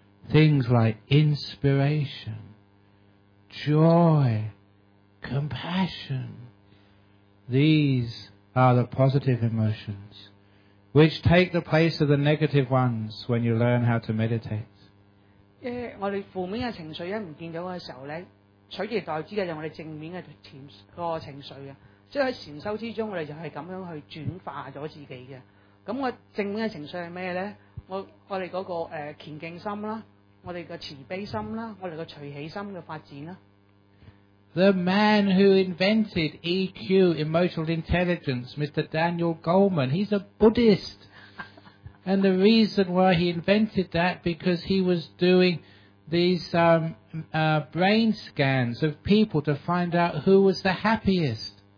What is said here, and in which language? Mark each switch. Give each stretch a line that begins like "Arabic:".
English: Things like inspiration, joy, compassion. These are the positive emotions, which take the place of the negative ones when you learn how to meditate.
Cantonese: 我哋負面嘅情緒一唔見咗嘅時候咧，取而代之嘅就我哋正面嘅潛個情緒啊。即係喺禅修之中，我哋就係咁樣去轉化咗自己嘅。咁我正面嘅情緒係咩咧？我哋嗰個虔敬心啦，我哋嘅慈悲心啦，我哋嘅隨喜心嘅發展啦。
English: The man who invented EQ, emotional intelligence, Mr. Daniel Goleman, he's a Buddhist. And the reason why he invented that, because he was doing these brain scans of people to find out who was the happiest.